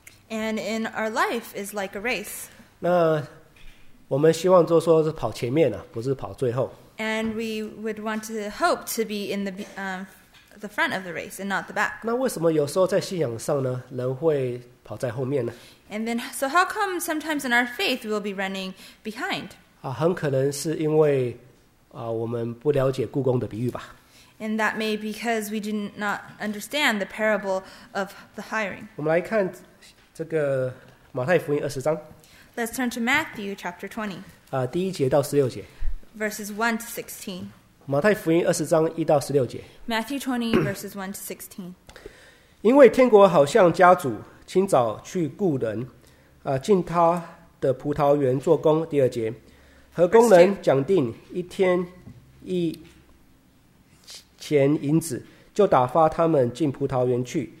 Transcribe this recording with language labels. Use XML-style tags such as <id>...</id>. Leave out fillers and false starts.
<en>And in our life is like a race.</en> <zh>那我们希望就说是跑前面啊，不是跑最后。</zh> <en>And we would want to hope to be in the front of the race and not the back.</en> <zh>那为什么有时候在信仰上呢，人会跑在后面呢？</zh> <en>And then, so how come sometimes in our faith we'll be running behind?</en> <zh>啊，很可能是因为啊，我们不了解故宫的比喻吧。</zh> <en>And that may be because we did not understand the parable of the hiring.</en> <zh>我们来看这个马太福音二十章。</zh> <en>Let's turn to Matthew chapter 20.</en> <zh>啊，第一节到十六节。</zh> <en>Verses 1-16.</en> <zh>马太福音二十章一到十六节。</zh> <en>Matthew 20 verses 1-16.</en> <zh>因为天国好像家主清早去雇人，啊，进他的葡萄园做工。第二节，和工人讲定一天一钱银子，就打发他们进葡萄园去。</zh>